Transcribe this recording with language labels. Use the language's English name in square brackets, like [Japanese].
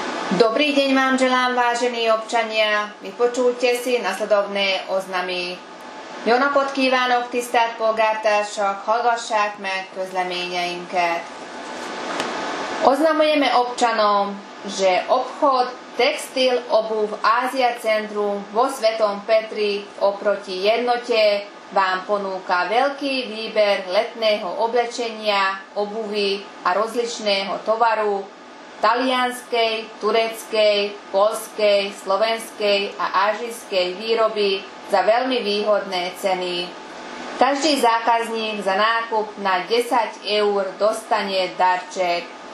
[Slovak] Dobrý deň vám želám, vážení občania. Vypočujte si nasledovné oznamy. [Hungarian] Jóna kívánok tisztelt polgártársak, hallgassák meg közleményeinket. [Slovak] Oznamujeme občanom, že obchod Textil Obuv Ázia Centrum vo Svetom Petri oproti jednote vám ponúka veľký výber letného oblečenia, obuvy a rozličného tovaru talianskej, tureckej, poľskej, slovenskej a ázijskej výroby za veľmi výhodné ceny. Každý zákazník za nákup na 10 eur dostane darček.